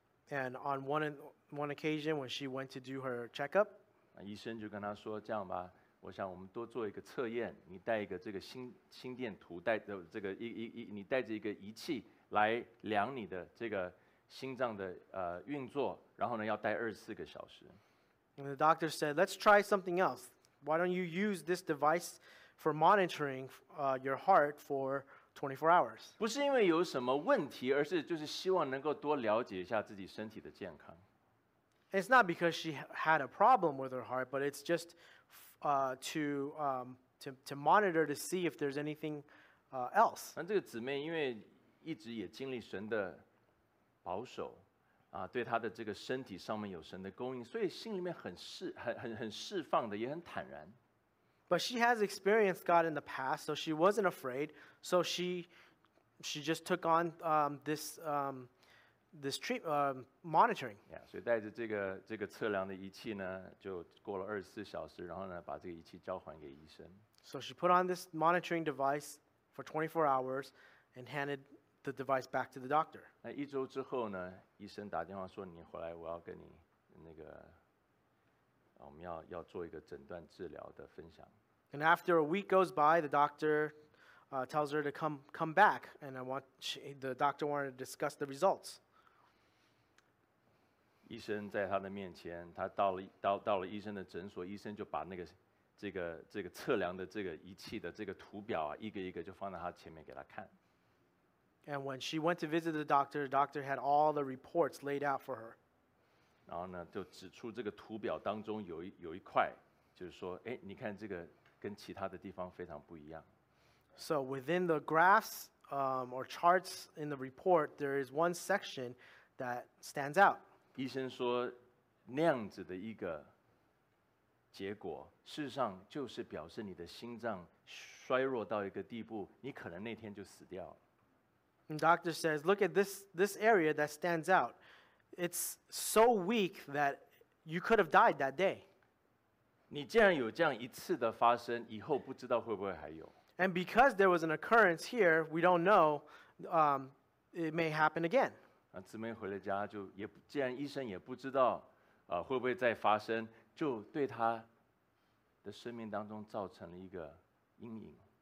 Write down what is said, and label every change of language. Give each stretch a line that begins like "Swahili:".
English: And on one occasion when she went to do her checkup,
Chinese: 医生就跟她说这样吧，我想我们多做一个测验，你带一个这个心电图，带这个你带着一个仪器来量你的这个心脏的运作，然后呢要带24个小时。
English: And the doctor said, let's try something else. Why don't you use this device for monitoring your heart for 24 hours.
Chinese: 不是因为有什么问题，而是就是希望能够多了解一下自己身体的健康。
English: It's not because she had a problem with her heart, but it's just to monitor to see if there's anything else.
Chinese: 那这个姊妹因为一直也经历神的保守，对她的这个身体上面有神的供应，所以心里面很释放的，也很坦然。
English: But she has experienced God in the past, so she wasn't afraid. So she just took on monitoring.
Chinese: Yeah, 所以带着这个测量的仪器呢，就过了24小时，然后呢，把这个仪器交还给医生。
English: So she put on this monitoring device for 24 hours and handed the device back to the doctor.
Chinese: 那一周之后呢，医生打电话说你回来，我要跟你那个。我们 要做一个诊断治疗的分享。
English: And after a week goes by, the doctor tells her to come back, and the doctor wanted to discuss the results.
Chinese: 医生在他的面前，他到了医生的诊所，医生就把那个这个测量的这个仪器的这个图表啊，一个一个就放在他前面给他看。
English: And when she went to visit the doctor had all the reports laid out for her.
Chinese: 然后呢，就指出这个图表当中有一块，就是说，哎，你看这个跟其他的地方非常不一样。
English: So within the graphs, or charts in the report, there is one section that stands out.
Chinese: 医生说，那样子的一个结果，事实上就是表示你的心脏衰弱到一个地步，你可能那天就死掉了。
English: And doctor says, look at this area that stands out. It's so weak that you could have died that day.
Chinese: 你既然有这样一次的发生，以后不知道会不会还有。
English: And because there was an occurrence here, we don't know, it may happen again.
Chinese: 姊妹回了家就也既然医生也不知道，会不会再发生，就对她的生命当中造成了一个阴影。